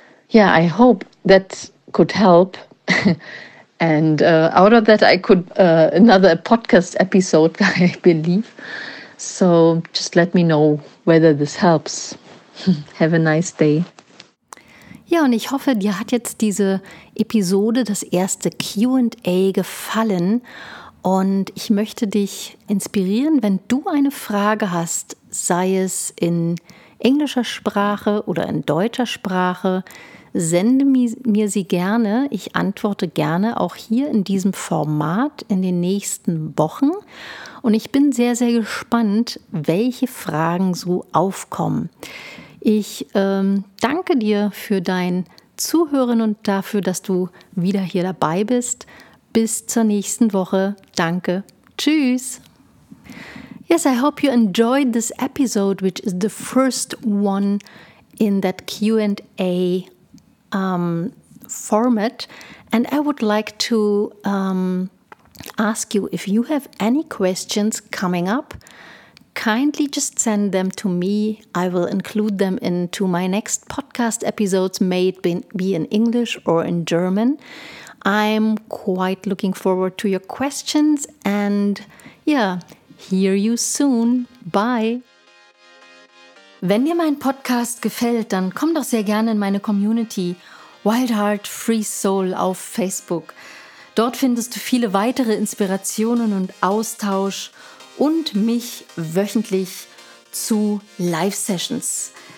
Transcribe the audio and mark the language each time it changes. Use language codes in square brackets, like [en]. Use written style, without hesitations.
[en] Yeah, I hope that could help. And out of that, I could another podcast episode, I believe. So just let me know whether this helps. Have a nice day. [de] Ja, und ich hoffe, dir hat jetzt diese Episode, das erste Q&A, gefallen. Und ich möchte dich inspirieren, wenn du eine Frage hast, sei es in englischer Sprache oder in deutscher Sprache, sende mir sie gerne. Ich antworte gerne auch hier in diesem Format in den nächsten Wochen. Und ich bin sehr, sehr gespannt, welche Fragen so aufkommen. Ich danke dir für dein Zuhören und dafür, dass du wieder hier dabei bist. Bis zur nächsten Woche. Danke. Tschüss. [en] Yes, I hope you enjoyed this episode, which is the first one in that Q&A format. And I would like to ask you, if you have any questions coming up, kindly just send them to me. I will include them into my next podcast episodes, may it be in English or in German. I'm quite looking forward to your questions and yeah, hear you soon. Bye. [de] Wenn dir mein Podcast gefällt, dann komm doch sehr gerne in meine Community Wild Heart Free Soul auf Facebook. Dort findest du viele weitere Inspirationen und Austausch und mich wöchentlich zu Live-Sessions.